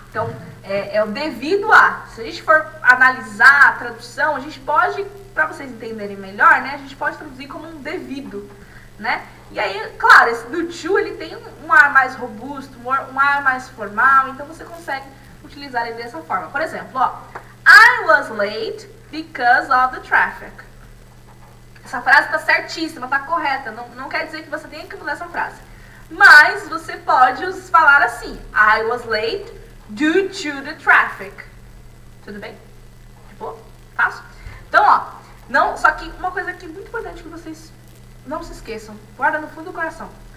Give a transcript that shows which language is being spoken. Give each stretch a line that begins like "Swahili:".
Portuguese: Então, é o devido a. Se a gente for analisar a tradução, a gente pode, para vocês entenderem melhor, né, a gente pode traduzir como um devido, né? E aí, claro, esse do to, ele tem um ar mais robusto, um ar mais formal, então você consegue utilizar ele dessa forma. Por exemplo, ó,
English: I was late because of the traffic.
Portuguese: Essa frase tá certíssima, tá correta, não quer dizer que você tenha que mudar essa frase. Mas você pode falar assim,
English: I was late due to the traffic.
Portuguese: Tudo bem? Tipo, fácil? Então, ó, não, só que uma coisa aqui muito importante que vocês não se esqueçam, guarda no fundo do coração.